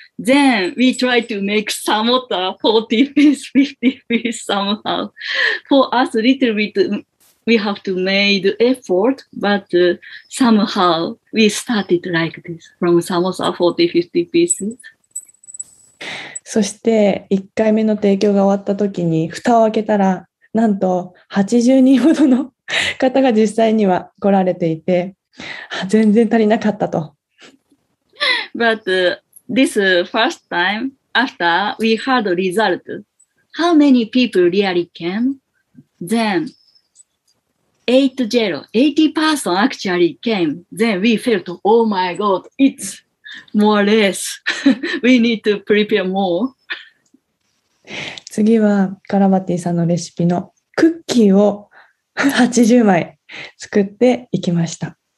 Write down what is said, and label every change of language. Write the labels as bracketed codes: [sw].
[en] Then we try to make samosa 40 piece, 50 piece somehow. For us, a little bit, we have to make effort, but somehow we started like this from samosa 40, 50 pieces. [ja] そして1回目の提供が終わった時に蓋を開けたら、なんと80人ほどの方が実際には来られていて、全然足りなかったと。 [en] But this first time after we had a result, how many people really came? Then 80 person actually came. Then we felt, oh my god, it's more less. We need to prepare more. [ja] 次はカラバティさんのレシピのクッキーを80枚作っていきました。